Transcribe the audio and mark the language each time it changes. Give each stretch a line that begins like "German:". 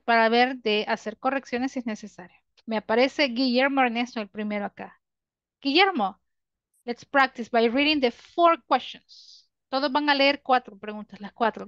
Spanish: Para ver de hacer correcciones si es necesario. Me aparece Guillermo Ernesto el primero acá.
English: Guillermo, let's practice by reading the four questions.
Spanish: Todos van a leer cuatro preguntas, las cuatro.